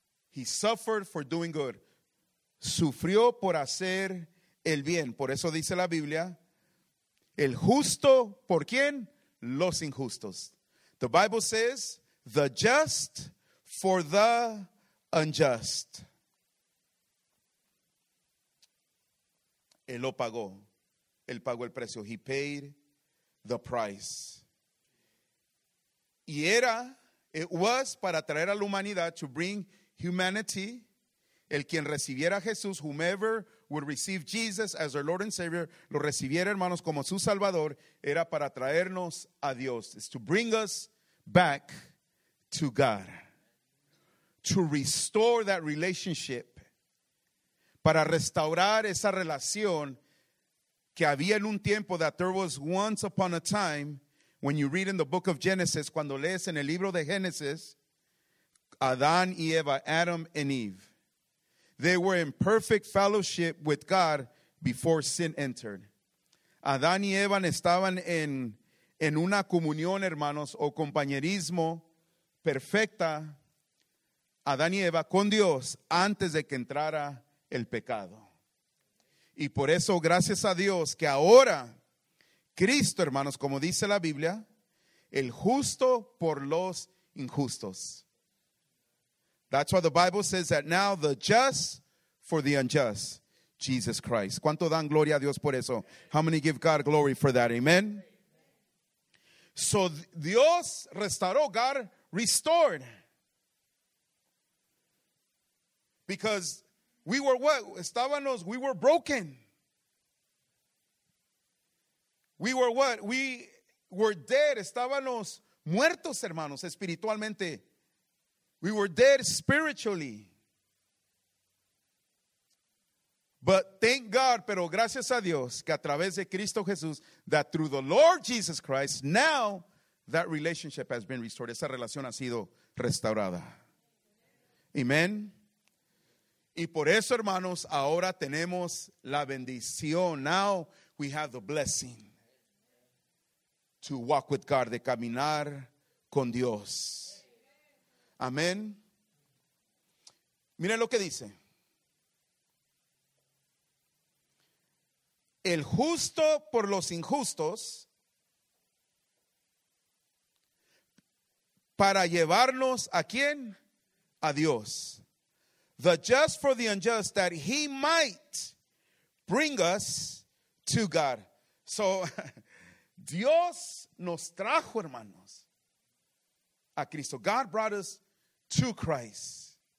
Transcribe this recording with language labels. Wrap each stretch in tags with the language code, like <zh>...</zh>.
<en>He suffered for doing good.</en> <es>Sufrió por hacer el bien. Por eso dice la Biblia, el justo, ¿por quién? Los injustos.</es> <en>The Bible says, the just for the unjust.</en> <es>Él lo pagó. Él pagó el precio.</es> <en>He paid the price.</en> <es>Y era,</es> <en>it was</en> <es>para traer a la humanidad,</es> <en>to bring humanity.</en> <es>El quien recibiera a Jesús,</es> <en>whomever would receive Jesus as their Lord and Savior,</en> <es>lo recibiera, hermanos, como su Salvador, era para traernos a Dios.</es> <en>It's to bring us back to God. To restore that relationship.</en> <es>Para restaurar esa relación que había en un tiempo,</es> <en>that there was once upon a time, when you read in the book of Genesis,</en> <es>cuando lees en el libro de Génesis, Adán y Eva,</es> <en>Adam and Eve. They were in perfect fellowship with God before sin entered.</en> <es>Adán y Eva estaban en una comunión, hermanos, o compañerismo perfecta, Adán y Eva, con Dios, antes de que entrara el pecado. Y por eso, gracias a Dios, que ahora, Cristo, hermanos, como dice la Biblia, el justo por los injustos.</es> <en>That's why the Bible says that now the just for the unjust, Jesus Christ.</en> <es>¿Cuánto dan gloria a Dios por eso?</es> <en>How many give God glory for that? Amen.</en> <es>So Dios restauró,</es> <en>God restored. Because we were what?</en> <es>Estábamos,</es> <en>we were broken. We were what? We were dead.</en> <es>Estábamos muertos, hermanos, espiritualmente.</es> <en>We were dead spiritually. But thank God,</en> <es>pero gracias a Dios, que a través de Cristo Jesús,</es> <en>that through the Lord Jesus Christ, now that relationship has been restored.</en> <es>Esa relación ha sido restaurada. Amen. Y por eso, hermanos, ahora tenemos la bendición.</es> <en>Now we have the blessing to walk with God,</en> <es>de caminar con Dios. Amén. Miren lo que dice. El justo por los injustos, para llevarnos a quién? A Dios.</es> <en>The just for the unjust, that he might bring us to God.</en> <es>So, Dios nos trajo, hermanos, a Cristo.</es> <en>God brought us to Christ.</en>